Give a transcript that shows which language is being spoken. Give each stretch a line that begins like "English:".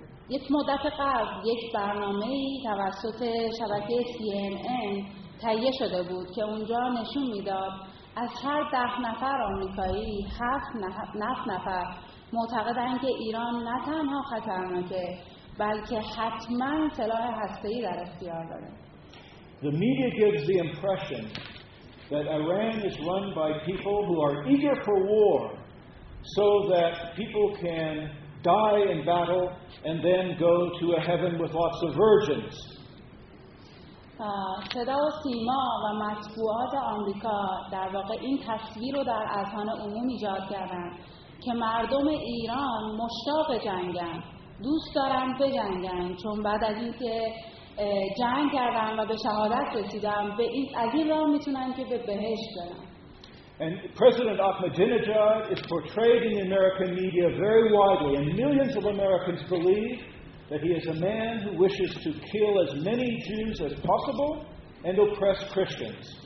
Persian: یک مدت قبل یک برنامه‌ای توسط شبکه CNN تهیه شده بود که اونجا نشون میداد از هر 10 نفر آمریکایی 7 نفر معتقدند که ایران نه تنها خطرناکه، بلکه حتما سلاح هسته‌ای در اختیار داره.
English: The media gives the impression that Iran is run by people who are eager for war so that people can die in battle and then go to a heaven with lots of virgins.
Persian: صدا و سیما و مطبوعات آمریکا در واقع این تصویر رو در اذهان عموم ایجاد کردند که مردم ایران مشتاق جنگن، دوست دارن بجنگن، چون بعد از اینکه جنگ کردن و به شهادت رسیدن به این عظیم را میتونن که به بهشت برن.
English: And President Ahmadinejad is portrayed in the American media very widely, and millions of Americans believe that he is a man who wishes to kill as many Jews as possible and oppress Christians.